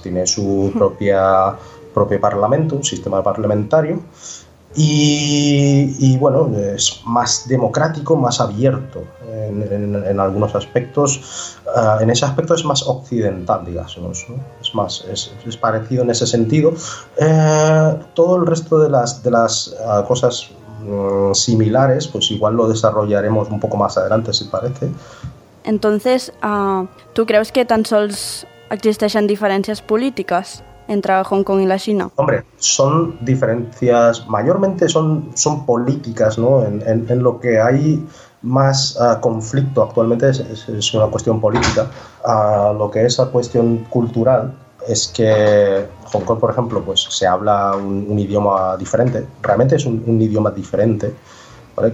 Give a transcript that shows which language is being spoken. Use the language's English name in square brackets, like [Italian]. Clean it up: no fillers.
[Spanish] Tiene su propio parlamento, un sistema parlamentario, y bueno, es más democrático, más abierto en algunos aspectos. En ese aspecto es más occidental, digamos, ¿no? Es parecido en ese sentido. Todo el resto de las cosas similares, pues igual lo desarrollaremos un poco más adelante, si parece. Entonces, ¿tú crees que [Catalan] tan sols existeixen diferències polítiques? [Spanish] entre Hong Kong y la China? Hombre, son diferencias, mayormente son políticas, ¿no? En lo que hay más conflicto actualmente es una cuestión política. Lo que es la cuestión cultural es que Hong Kong, por ejemplo, pues se habla un idioma diferente, realmente es un idioma diferente, ¿vale?